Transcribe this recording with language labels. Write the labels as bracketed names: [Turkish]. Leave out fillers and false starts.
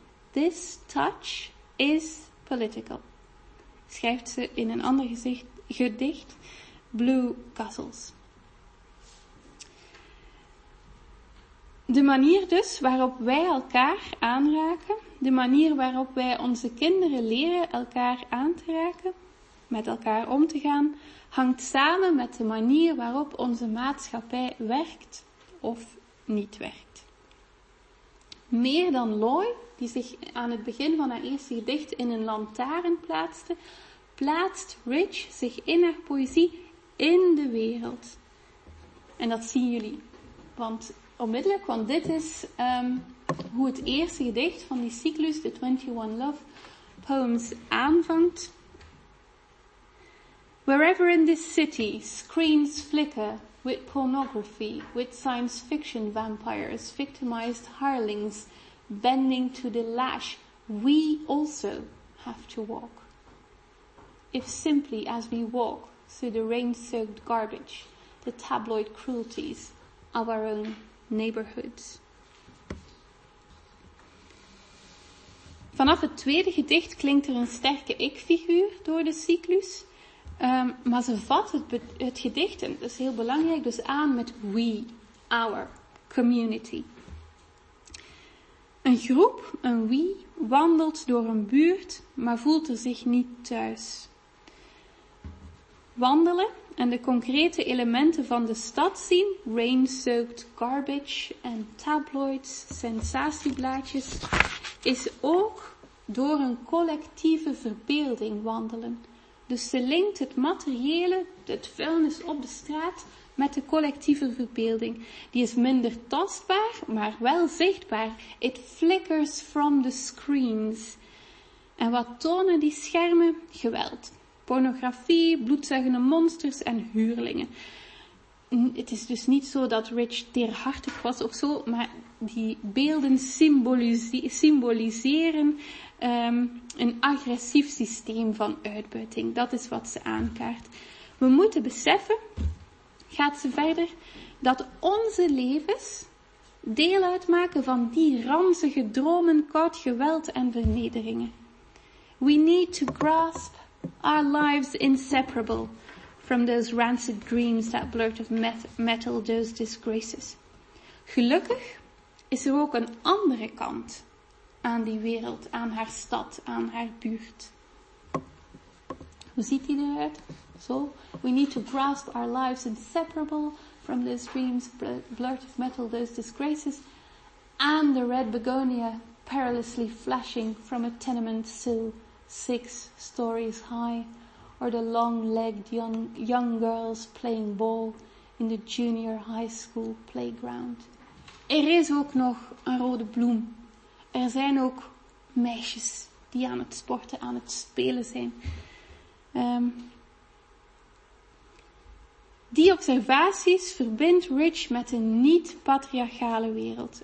[English] This touch is political. [Dutch] Schrijft ze in een ander gedicht, Blue Castles. De manier dus waarop wij elkaar aanraken, de manier waarop wij onze kinderen leren elkaar aan te raken, met elkaar om te gaan, hangt samen met de manier waarop onze maatschappij werkt of niet werkt. Meer dan Loy, die zich aan het begin van haar eerste gedicht in een lantaarn plaatste, plaatst Rich zich in haar poëzie in de wereld. En dat zien jullie. Want dit is hoe het eerste gedicht van die cyclus, de 21 Love Poems, aanvangt. [English] Wherever in this city screens flicker with pornography, with science fiction vampires, victimized hirelings bending to the lash, we also have to walk. If simply as we walk through the rain-soaked garbage, the tabloid cruelties of our own neighborhoods. [Dutch] Vanaf het tweede gedicht klinkt er een sterke ik-figuur door de cyclus. Maar ze vat het gedicht, en dat is heel belangrijk, dus aan met we, our, community. Een groep, een we, wandelt door een buurt, maar voelt er zich niet thuis. Wandelen en de concrete elementen van de stad zien, [English] rain-soaked garbage [Dutch] en tabloids, sensatieblaadjes, is ook door een collectieve verbeelding wandelen. Dus ze linkt het materiële, het vuilnis op de straat, met de collectieve verbeelding. Die is minder tastbaar, maar wel zichtbaar. [English] It flickers from the screens. [Dutch] En wat tonen die schermen? Geweld. Pornografie, bloedzuigende monsters en huurlingen. Het is dus niet zo dat Rich teerhartig was of zo, maar die beelden symboliseren een agressief systeem van uitbuiting. Dat is wat ze aankaart. We moeten beseffen, gaat ze verder, dat onze levens deel uitmaken van die ranzige dromen, koud geweld en vernederingen. [English] We need to grasp our lives inseparable from those rancid dreams, that blurt of metal, those disgraces. [Dutch] Gelukkig is er ook een andere kant aan die wereld, aan haar stad, aan haar buurt. Hoe ziet die eruit? Zo. [English] We need to grasp our lives inseparable from those dreams, blurt of metal, those disgraces, and the red begonia perilously flashing from a tenement sill six stories high, or the long-legged young girls playing ball in the junior high school playground. [Dutch] Er is ook nog een rode bloem. Er zijn ook meisjes die aan het sporten, aan het spelen zijn. Die observaties verbindt Rich met een niet-patriarchale wereld.